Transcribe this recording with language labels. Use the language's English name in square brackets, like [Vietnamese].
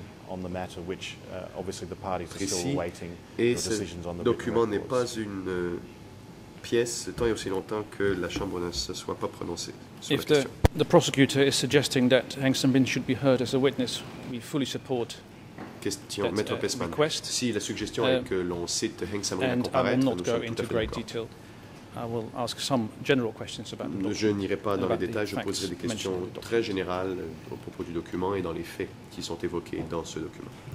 [English] on the matter, which obviously the parties are still awaiting the decisions on the [French] document n'est pas une pièce tant et aussi longtemps que la chambre ne se soit pas prononcée. [English] If the prosecutor is suggesting that Heng Samrin should be heard as a witness, we fully support [French] question, [English] that request. [French] Si la suggestion est que l'on cite Heng Samrin à comparaître, [English] I will not go into great detail. I will ask some general questions about the document. [French] Je n'irai pas dans les détails, je poserai des questions très générales au propos du document et dans les faits qui sont évoqués dans ce document.